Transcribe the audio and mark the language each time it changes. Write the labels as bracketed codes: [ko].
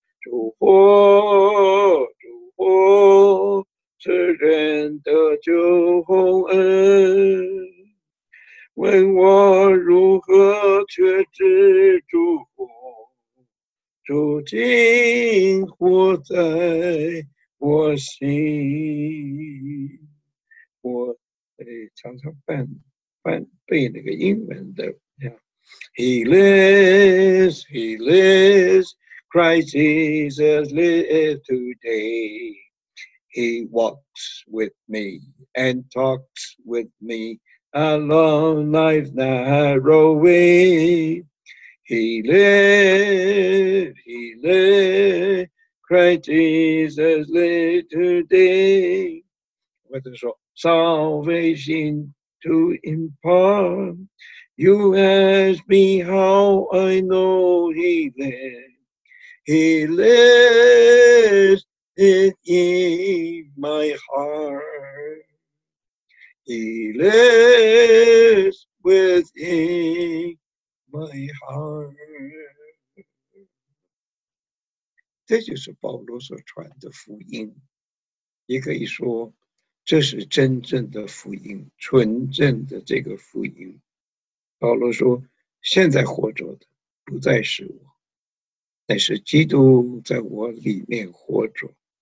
[zh] 主活主活，世人得救宏恩，问我如何却知主活，主今活在我心。我常常背那个英文的 [en] He lives, He lives, Christ Jesus lives today. He walks with me and talks with me along life's narrow way. He lives, He lives,Christ Jesus lives today. [zh] 我就说 [en] Salvation to impart, You ask me how I know He lives. He lives it in my heart. He lives within my heart. [zh] 这就是保罗所传的福音，也可以说这是真正的福音，纯正的这个福音。保罗说，现在活着的不再是我，乃是基督在我里面活着。